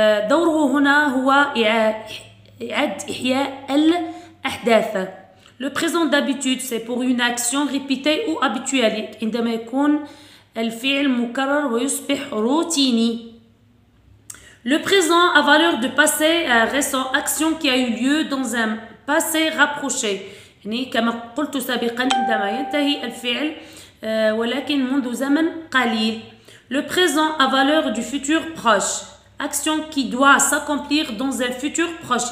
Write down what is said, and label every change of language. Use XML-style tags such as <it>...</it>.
<ar>دوره هنا هو إعادة إحياء الأحداث.</ar> <fr>Le présent d'habitude, c'est pour une action répétée ou habituelle.</fr> <ar>عندما يكون الفعل مكرر ويصبح روتيني.</ar> <fr>Le présent a valeur de passé récent, action qui a eu lieu dans un passé rapproché.</fr> <ar>يعني كما قلت سابقا عندما ينتهي الفعل ولكن منذ زمن قليل.</ar> <fr>Le présent a valeur du futur proche, action qui doit s'accomplir dans un futur proche.</fr>